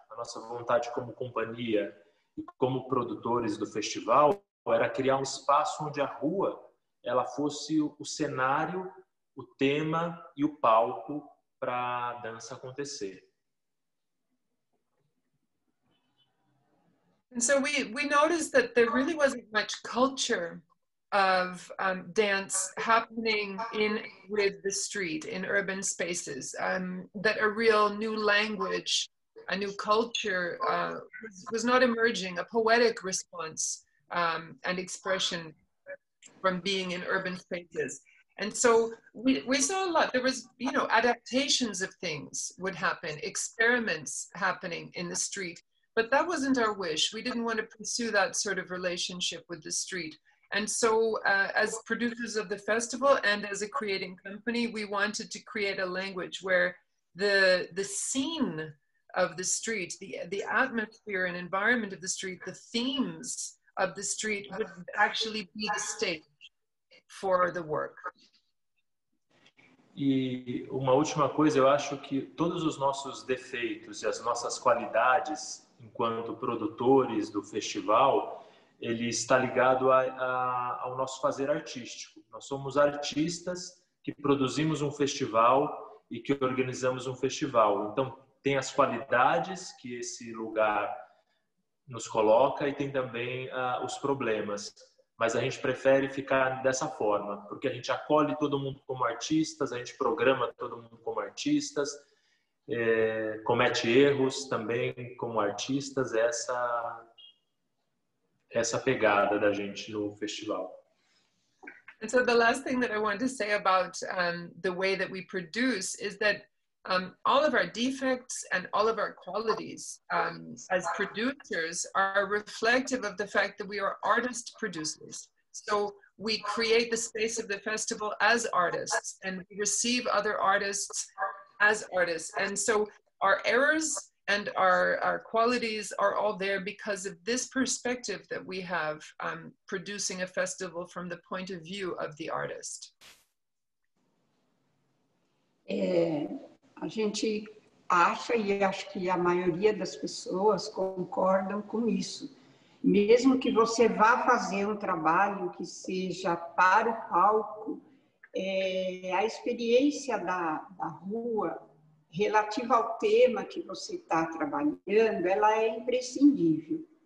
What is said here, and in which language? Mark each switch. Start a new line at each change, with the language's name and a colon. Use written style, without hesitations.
Portuguese: A nossa vontade como companhia e como produtores do festival era criar um espaço onde a rua ela fosse o cenário, o tema e o palco para a dança acontecer.
English: And so we noticed that there really wasn't much culture of dance happening in with the street in urban spaces, that a real new language, a new culture was not emerging, a poetic response and expression from being in urban spaces. And so we saw a lot, there was, you know, adaptations of things would happen, experiments happening in the street, but that wasn't our wish. We didn't want to pursue that sort of relationship with the street. And so as producers of the festival and as a creating company, we wanted to create a language where the scene of the street, the atmosphere and environment of the street, the themes of the street would actually be the stage for the work.
Portuguese: E uma última coisa, eu acho que todos os nossos defeitos e as nossas qualidades enquanto produtores do festival, ele está ligado ao nosso fazer artístico. Nós somos artistas que produzimos um festival e que organizamos um festival. Então, tem as qualidades que esse lugar nos coloca e tem também os problemas, mas a gente prefere ficar dessa forma, porque a gente acolhe todo mundo como artistas, a gente programa todo mundo como artistas, comete erros também como artistas, essa pegada da gente no festival.
English: And so the last thing that I want to say about the way that we produce is that all of our defects and all of our qualities as producers are reflective of the fact that we are artist producers. So we create the space of the festival as artists, and we receive other artists as artists. And so our errors and our qualities are all there because of this perspective that we have producing a festival from the point of view of the artist.
Portuguese: A gente acha, e acho que a maioria das pessoas concordam com isso. Mesmo que você vá fazer um trabalho que seja para o palco, a experiência da rua relativa ao tema que você está trabalhando, ela é imprescindível.